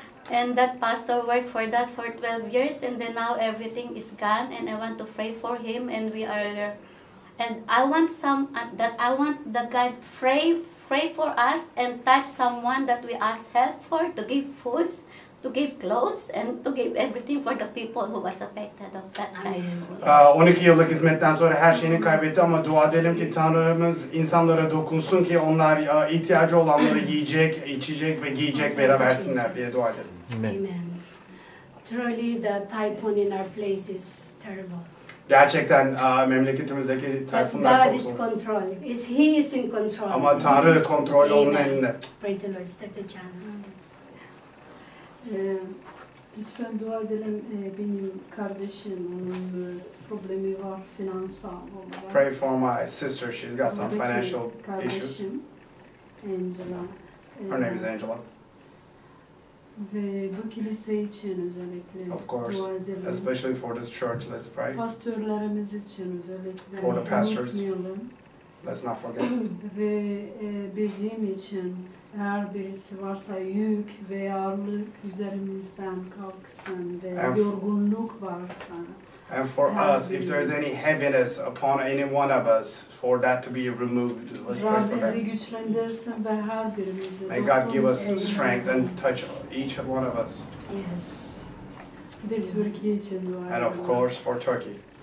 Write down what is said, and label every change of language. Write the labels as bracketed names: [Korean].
[English] And that pastor worked for that for 12 years, and then now everything is gone, and I want to pray for him, and we are, and I want some, that I want the God pray for us and touch someone that we ask help for, to give foods, to give clothes, and to give everything for the people who was affected of that time. [Turkish] 12 yıllık hizmetten sonra her şeyini kaybetti ama dua edelim ki Tanrımız insanlara dokunsun ki onlar ihtiyacı olanları yiyecek, içecek ve giyecek verebilsinler diye dua edelim. [English] Amen. Truly the typhoon in our place is terrible. [Turkish] Gerçekten memleketimizdeki typhoonlar çok zor. [English] God is controlling. Is he is in control. [Turkish] Ama Tanrı kontrolü onun elinde. [English] Praise the Lord. Start the channel. [Turkish] Lütfen dua edelim. Benim kardeşim onun problemi var finansal olarak. [English] Pray for my sister. She's got some financial issues. Angela. Her name is Angela. [Turkish] Ve bu kilise için özellikle dua edelim. [English] Of course, especially for this church, let's pray. [Turkish] Pastörlerimiz için özellikle. [English] For the pastors, let's not forget. [Turkish] Ve bizim için her birisi varsa yük ve yarlık üzerimizden kalksın ve yorgunluk varsa. [English] And for us, if there is any heaviness upon any one of us, for that to be removed, let's pray for that. May God give us strength and touch each one of us. Yes. And of course, for Turkey.